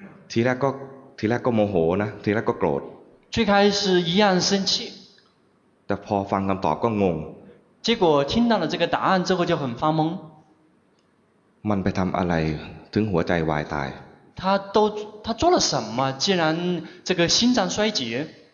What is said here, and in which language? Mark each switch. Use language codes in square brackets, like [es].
[th] ทีแรกก็โมโหนะทีแรกก็โกรธ [zh] 最开始一样生气 [th] แต่พอฟังคำตอบก็งง [zh] 结果听到了这个答案之后就很发懵 [th] มันไปทำอะไรถึงหัวใจวายตาย [zh] 他做了什么既然这个心脏衰竭